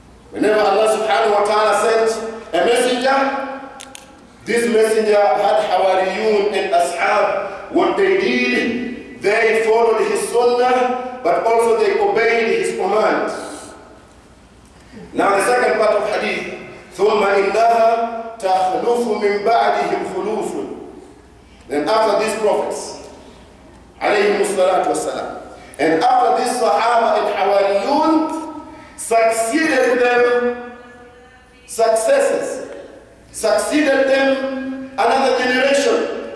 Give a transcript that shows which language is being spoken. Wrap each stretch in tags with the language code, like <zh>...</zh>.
<en>Whenever Allah subhanahu wa ta'ala sent a messenger, this messenger had Hawariyun and Ashab. What they did, they followed his sunnah, but also they obeyed his commands. Now the second part of hadith,</en> <ar>ثم إنها تخلف من بعدهم خلوف.</ar> <en>Then after these prophets,</en> <ar>عليهم الصلاة والسلام,</ar> <en>and after this Sahaba and Hawariyun succeeded them, successes, succeeded them another generation.</en>